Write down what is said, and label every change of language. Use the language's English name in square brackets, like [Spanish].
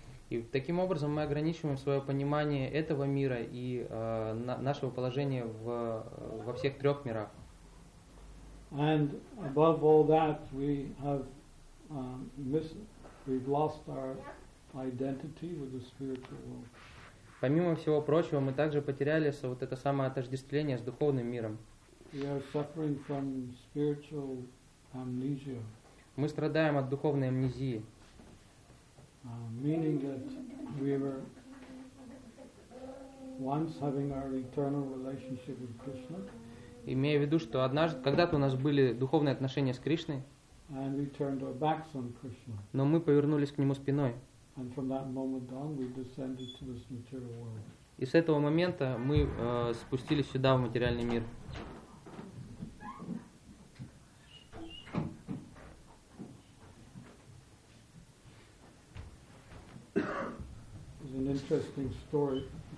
[Russian] И таким образом мы ограничиваем свое понимание этого мира и нашего положения во всех трех мирах. [English] And above all that, we have we've lost our identity with the spiritual world. [Russian] Помимо всего прочего, мы также потеряли вот это самое отождествление с духовным миром. [English] We are suffering from spiritual amnesia. [Russian] Мы страдаем от духовной амнезии. [English] Meaning that we were once having our eternal relationship with Krishna. [Russian] Имея в виду, что однажды, когда-то у нас были духовные отношения с Кришной. [English] And we turned our backs on Krishna. [Russian] Но мы повернулись к нему спиной. [English] And from that moment on, we descended to this material world. [Russian] И с этого момента мы спустились сюда в материальный мир. [English] An interesting story.